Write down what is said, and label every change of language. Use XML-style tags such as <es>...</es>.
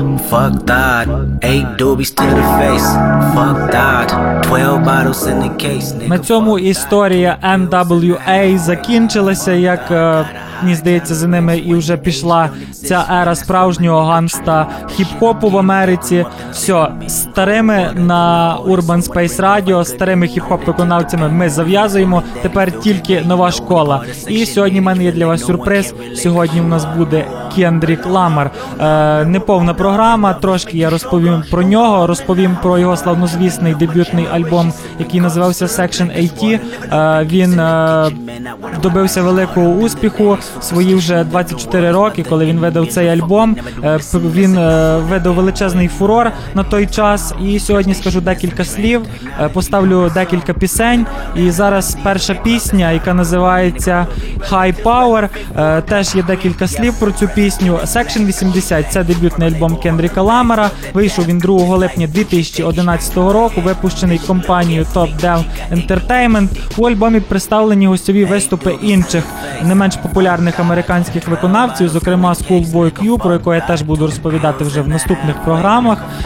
<en>Fuck that, 8 doobies to the face. Fuck that, 12 bottles in the case.</en> <uk>На цьому історія NWA закінчилася, як мені здається, за ними і вже пішла ця ера справжнього ганста хіп-хопу в Америці. Все, старими на Urban Space Radio, старими хіп-хоп-виконавцями ми зав'язуємо. Тепер тільки нова школа. І сьогодні в мене є для вас сюрприз. Сьогодні в нас буде Kendrick Lamar. Неповна програма, трошки я розповім про нього, розповім про його славнозвісний дебютний альбом, який називався Section AT. Він добився великого успіху. Свої вже 24 роки, коли він видав цей альбом, він видав величезний фурор на той час. І сьогодні скажу декілька слів, поставлю декілька пісень. І зараз перша пісня, яка називається High Power, теж є декілька слів про цю пісню. Section 80 – це дебютний альбом Kendricka Lamara. Вийшов він 2 липня 2011 року, випущений компанією Top Dev Entertainment. У альбомі представлені гостьові виступи інших, не менш популярних американських виконавців, зокрема Schoolboy Q, про яку я теж буду розповідати вже в наступних програмах.</uk>